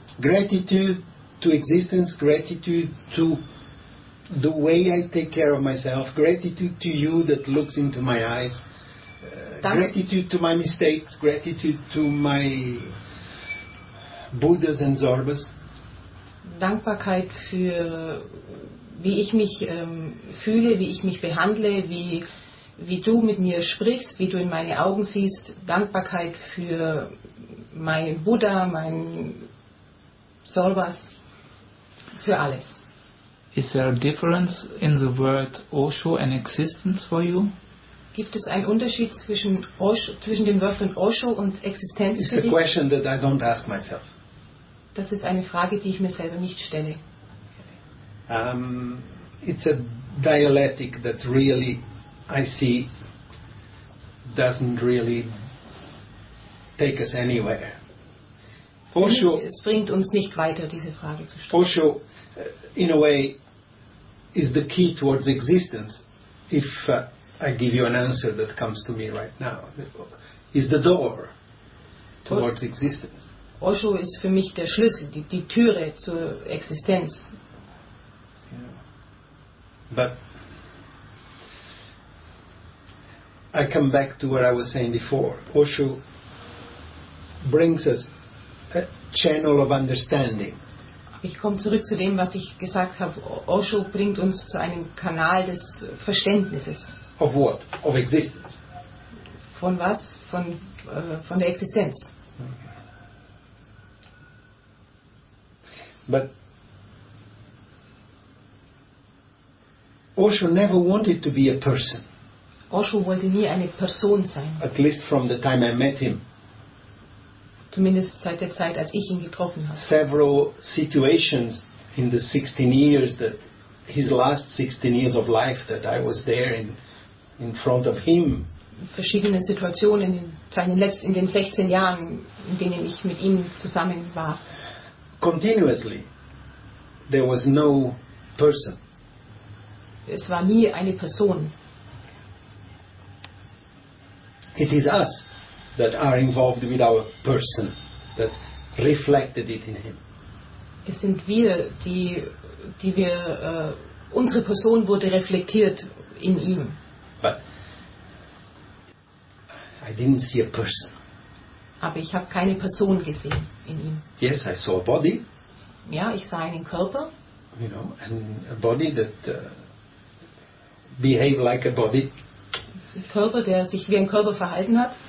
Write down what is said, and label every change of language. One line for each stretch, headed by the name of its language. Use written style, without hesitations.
English: Gratitude to existence, gratitude to the way I take care of myself, gratitude to you that looks into my eyes, gratitude to my mistakes, gratitude to my Buddhas and Zorbas.
German: Dankbarkeit für wie ich mich fühle, wie ich mich behandle, wie du mit mir sprichst, wie du in meine Augen siehst. Dankbarkeit für meinen Buddha, meinen Sorbas, für alles.
English: Is there a difference in the word Osho and existence for you?
German: Gibt es einen Unterschied zwischen Osho, zwischen den Wörtern Osho und Existenz
English: It's
German: für dich?
English: It's a question that I don't ask myself.
German: Das ist eine Frage, die ich mir selber nicht stelle.
English: It's a dialectic that really I see doesn't really take us anywhere.
German: Osho, es bringt uns nicht weiter, diese Frage zu stellen.
English: Osho, in a way, is the key towards existence. If I give you an answer that comes to me right now, is the door towards existence.
German: Osho ist für mich der Schlüssel, die Türe zur Existenz.
English: But I come back to what I was saying before. Osho brings us a channel of understanding.
German: Ich komme zurück zu dem, was ich gesagt habe. Osho bringt uns zu einem Kanal des Verständnisses.
English: Of what? Of existence.
German: Von was? Von der Existenz.
English: But Osho never wanted to be a person.
German: Osho wollte nie eine Person sein.
English: At least from the time I met him.
German: Zumindest seit der Zeit, als ich ihn getroffen habe.
English: Several situations in the 16 years that his last 16 years of life that I was there in front of him.
German: Verschiedene Situationen in den 16 Jahren, in denen ich mit ihm zusammen war.
English: Continuously, there was no person.
German: Es war nie eine Person.
English: It is us that are involved with our person, that reflected it in him.
German: Es sind wir, die wir unsere Person wurde reflektiert in ihm.
English: But I didn't see a person.
German: Aber ich habe keine Person gesehen in ihm.
English: Yes, I saw a body.
German: Ja, ich sah einen Körper.
English: You know, and a body that behaved like a body.
German: Ein Körper, der sich wie ein Körper verhalten hat.